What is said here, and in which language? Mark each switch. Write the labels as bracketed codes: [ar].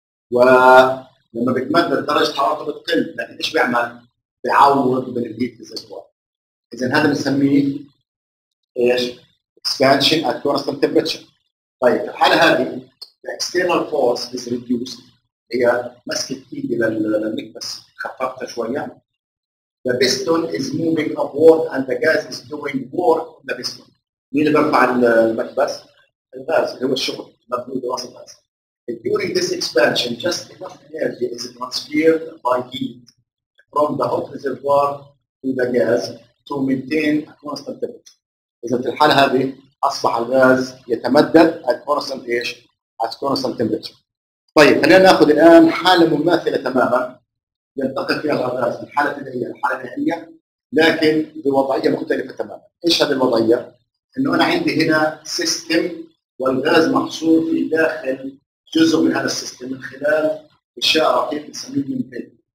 [ar] ولما بتمدد درجة حرارته بتقل، لكن إيش بيعمل؟ بيعوض بالهيت ريزرفوار. اذا هذا بنسميه ايش؟ [en] expansion at constant temperature. [ar] طيب في الحاله هذه [en] the external force is reduced، [ar] هي مسكت ايدي للمكبس خففتها شويه. [en] The piston is moving upward and the gas is doing work in the piston. [ar] مين اللي بيرفع المكبس؟ الغاز اللي هو الشغل مبذول بواسطه الغاز. [en] During this expansion just enough energy is transferred by heat from the hot reservoir to the gas to maintain a constant temperature. [ar] إذا في الحالة هذه أصبح الغاز يتمدد at constant ايش؟ [en] at constant temperature. [ar] طيب خلينا ناخذ الآن حالة مماثلة تماما ينتقل فيها الغاز من حالة مئوية لحالة مئوية لكن بوضعية مختلفة تماما. إيش هذه الوضعية؟ إنه أنا عندي هنا سيستم والغاز محصور في داخل جزء من هذا السيستم من خلال إشاء رقيق بنسميه منفذ.